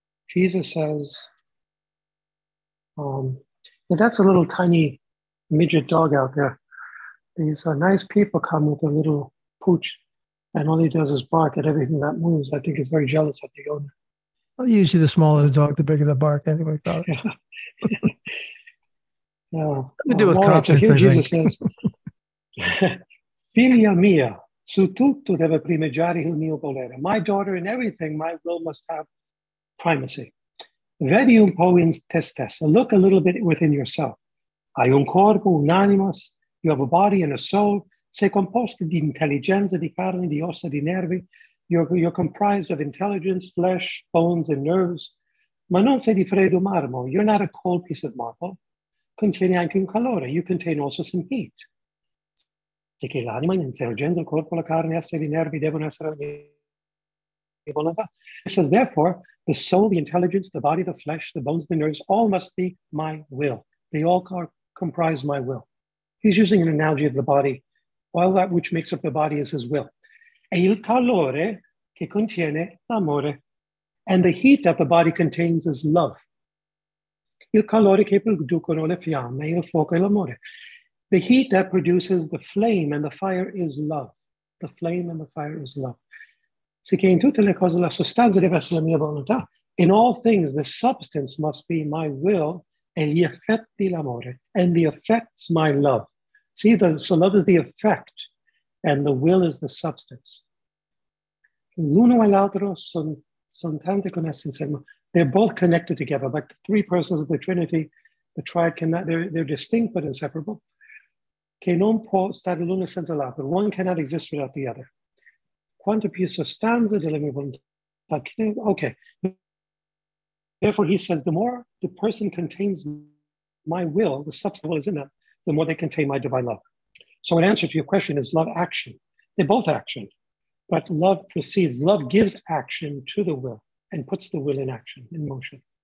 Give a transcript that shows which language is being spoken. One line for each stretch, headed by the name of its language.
English: Jesus says, that's a little tiny midget dog out there. These nice people come with a little pooch, and all he does is bark at everything that moves. I think he's very jealous of the owner. Well, usually the smaller the dog, the bigger the bark anyway. Yeah. Yeah. Let me do with confidence, so here Jesus says,
Italian: Figlia mia, su tutto deve primeggiare il mio volere.
English: My daughter, in everything, my will must have primacy.
Italian: Vedi un po' in te stessa.
English: Look a little bit within yourself.
Italian: Hai un corpo, un anima.
English: You have a body and a soul.
Italian: Sei composto di intelligenza, di carne, di ossa, di nervi.
English: You're comprised of intelligence, flesh, bones, and nerves.
Italian: Ma non sei di freddo marmo.
English: You're not a cold piece of marble.
Italian: Contiene anche un calore.
English: You contain also some heat.
Italian: Sei che l'anima, l'intelligenza, il corpo, la carne, essere i nervi devono essere
English: It says, therefore, the soul, the intelligence, the body, the flesh, the bones, the nerves, all must be my will. They all comprise my will. He's using an analogy of the body. All that which makes up the body is his will.
Italian: E il calore che contiene l'amore.
English: And the heat that the body contains is love.
Italian: Il calore che producono le fiamme, il fuoco e l'amore.
English: The heat that produces the flame and the fire is love. The flame and the fire is love.
Italian: Sicché in tutte le cose la sostanza deve essere la mia volontà.
English: In all things, the substance must be my will
Italian: e gli effetti l'amore.
English: And the effects, my love. See, so love is the effect and the will is the substance.
Italian: L'uno e l'altro son tante connessi.
English: They're both connected together, like the three persons of the Trinity, the triad cannot, they're distinct but inseparable.
Italian: Che non può stare l'uno senza l'altro.
English: One cannot exist without the other.
Italian: Quanto più sostanza della mia volontà.
English: Okay. Therefore, he says, the more the person contains my will, the substance is in them, the more they contain my divine love. So an answer to your question is love action. They're both action, but love proceeds. Love gives action to the will and puts the will in action, in motion.